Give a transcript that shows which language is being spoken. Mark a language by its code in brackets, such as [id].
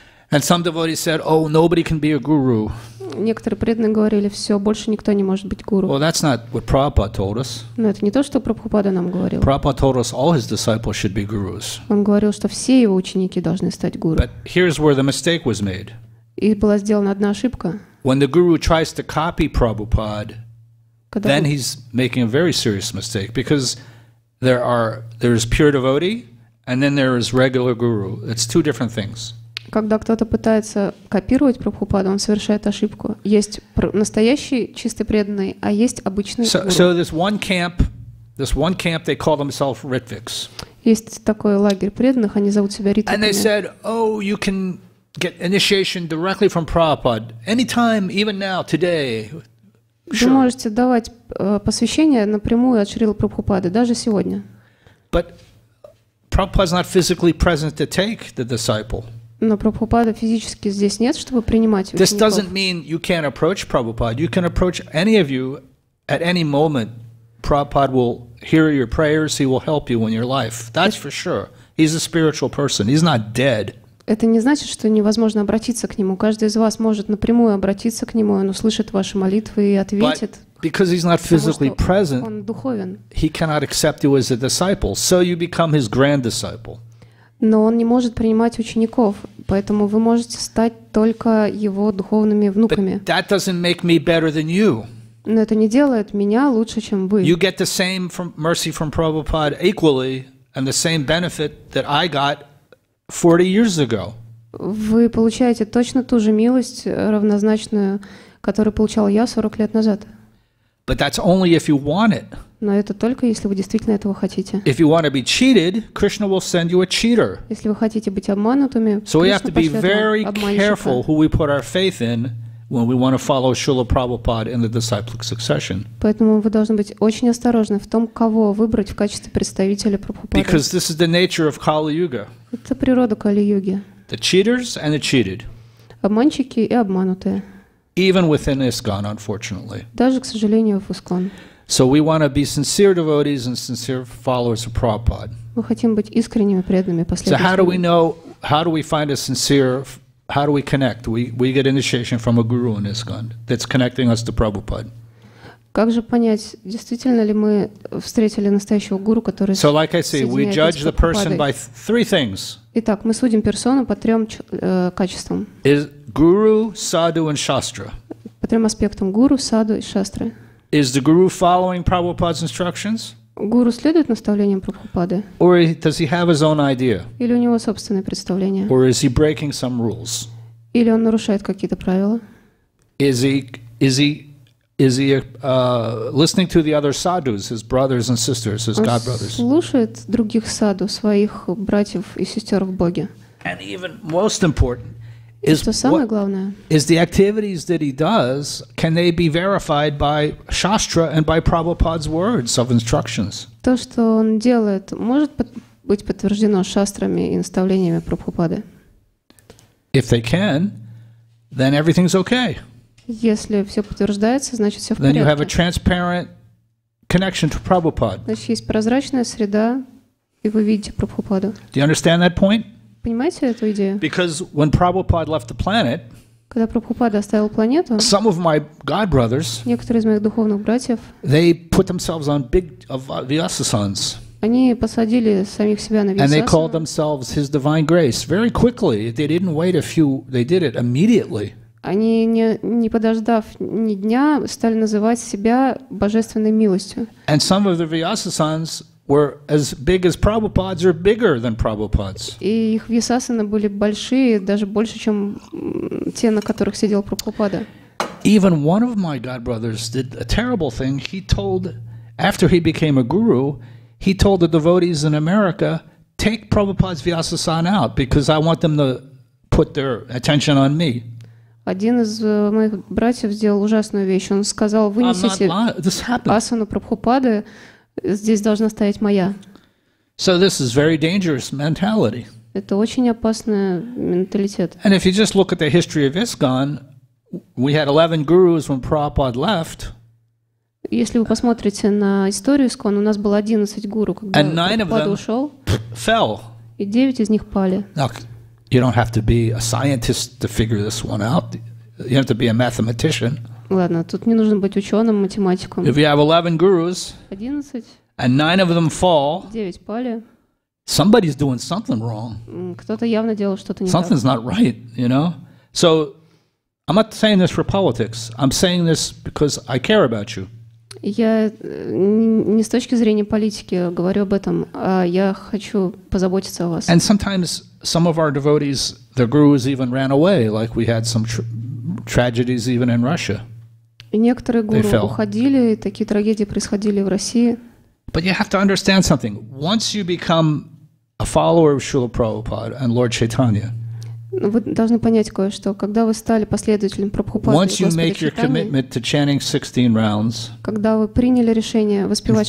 [en] And some devotees said, "Oh, nobody can be a guru." [ru] Некоторые преданные говорили, все, больше никто не может быть гуру. [en] Well, that's not what Prabhupada told us. [ru] Но это не то, что Прабхупада нам говорил. [en] Prabhupada told us all his disciples should be gurus. [ru] Он говорил, что все его ученики должны стать гуру. [en] But here's where the mistake was made. [ru] И была сделана одна ошибка. [en] When the guru tries to copy Prabhupada, then he's making a very serious mistake, because there is pure devotee, and then there is regular guru. It's two different things. [ru] Когда кто-то пытается копировать Прабхупаду, он совершает ошибку. Есть настоящий чистый преданный, а есть обычный гуру. [en] So this one camp, they call themselves Ritviks. [ru] Есть такой лагерь преданных, они зовут себя Ритвиками. [en] And they said, "Oh, you can get initiation directly from Prabhupada anytime, even now, today." [ru] Вы можете давать посвящение напрямую от Шрилы Прабхупады даже сегодня. [en] But Prabhupada's not physically present to take the disciple. [ru] Но Прабхупада физически здесь нет, чтобы принимать учеников. [en] This doesn't mean you can't approach Prabhupada. You can approach any of you at any moment. Prabhupada will hear your prayers. He will help you in your life. That's for sure. He's a spiritual person. He's not dead. [ru] Это не значит, что невозможно обратиться к нему. Каждый из вас может напрямую обратиться к нему. Он услышит ваши молитвы и ответит. [en] But because he's not physically present, [ru] он духовен. [en] He cannot accept you as a disciple. So you become his grand disciple. [ru] Но он не может принимать учеников, поэтому вы можете стать только его духовными внуками. [en] But that doesn't make me better than you. [ru] Но это не делает меня лучше, чем вы. [en] You get the same mercy from Prabhupada equally, and the same benefit that I got 40 years ago. [ru] Вы получаете точно ту же милость, равнозначную, которую получал я 40 лет назад. [en] But that's only if you want it. [ru] Но это только если вы действительно этого хотите. [en] If you want to be cheated, Krishna will send you a cheater. [ru] Если вы хотите быть обманутыми, [en] so we have to be very careful who we put our faith in when we want to follow Srila Prabhupada in the disciplic succession. [ru] Поэтому вы должны быть очень осторожны в том, кого выбрать в качестве представителя Прабхупады. [en] Because this is the nature of Kali-yuga. [ru] Это природа Кали-юги. [en] The cheaters and the cheated. [ru] Обманщики и обманутые. [en] Even within ISKCON, unfortunately. [ru] Даже, к сожалению, в ISKCON. [en] So we want to be sincere devotees and sincere followers of Prabhupada. [ru] Мы хотим быть искренними преданными последователями. [en] So how do we know? How do we find a sincere? How do we connect? We get initiation from a guru in ISKCON that's connecting us to Prabhupada. [ru] Как же понять, действительно ли мы встретили настоящего гуру, который [en] So like I say, we judge the person by three things. [ru] Итак, мы судим персону по трем качествам. [en] Is guru, sadhu, and shastra. [ru] По трем аспектам: гуру, саду и шастры. [en] Is the guru following Prabhupada's instructions? [ru] Гуру следует наставлениям Прабхупады? [en] Or does he have his own idea? [ru] Или у него собственные представления? [en] Or is he breaking some rules? [ru] Или он нарушает какие-то правила? [en] Is he listening to the other sadhus, his brothers and sisters, his god brothers? [ru] Он слушает других саду, своих братьев и сестер в Боге. [en] And even most important. Is the activities that he does, can they be verified by Shastra and by Prabhupada's words of instructions? [ru] То, что он делает, может быть подтверждено шастрами и наставлениями Прабхупады? [en] If they can, then everything's okay. [ru] Если все подтверждается, значит все в порядке. [en] Then you have a transparent connection to Prabhupada. [ru] Значит, есть прозрачная среда, и вы видите Прабхупаду. [en] Do you understand that point? [ru] Понимаете эту идею? [en] Because when Prabhupada left the planet, [ru] когда Прабхупада оставил планету, [en] some of my god brothers, [ru] некоторые из моих духовных братьев, [en] they put themselves on big vyasasans. [ru] Они посадили самих себя на вьясасану. [en] And they called themselves His Divine Grace very quickly. They didn't wait a few. They did it immediately. [ru] Они не подождав ни дня, стали называть себя божественной милостью. [en] And some of the vyasasans were as big as Prabhupada's or bigger than Prabhupada's. [ru] И их висасаны были большие, даже больше, чем те, на которых сидел Прабхупада. [en] Even one of my godbrothers did a terrible thing. He told, after he became a guru, he told the devotees in America, take Prabhupada's Vyasa-san out, because I want them to put their attention on me. [ru] Один из моих братьев сделал ужасную вещь. Он сказал, вынесите асану Прабхупады, здесь должна стоять моя. [en] So this is very dangerous mentality. [ru] Это очень опасный менталитет. [en] And if you just look at the history of ISKCON, we had 11 gurus when Prabhupada left. [ru] Если вы посмотрите на историю ISKCON, у нас было 11 гуру, когда Прабхупада ушел. [en] Fell. [ru] И 9 из них пали. [en] You don't have to be a scientist to figure this one out. You have to be a mathematician. [ru] Ладно, тут не нужно быть ученым, математиком. [en] If you have 11 gurus, [ru] 11, [en] and 9 of them fall, [ru] 9 пали, [en] somebody's doing something wrong. [ru] Кто-то явно делал что-то не так. [en] Something's not right, you know? So, I'm not saying this for politics. I'm saying this because I care about you. [ru] Я не с точки зрения политики говорю об этом, а я хочу позаботиться о вас. [en] And sometimes some of our devotees, their gurus even ran away, like we had some tragedies even in Russia. [ru] И некоторые гуру уходили, и такие трагедии происходили в России. [en] But you have to understand something. Once you become a follower of Srila Prabhupada and Lord Chaitanya, [ru] вы должны понять кое-что. Когда вы стали последователем Прабхупады [en] Once you make [ru] Читания, [en] your commitment to chanting 16 rounds, [ru] когда вы приняли решение воспевать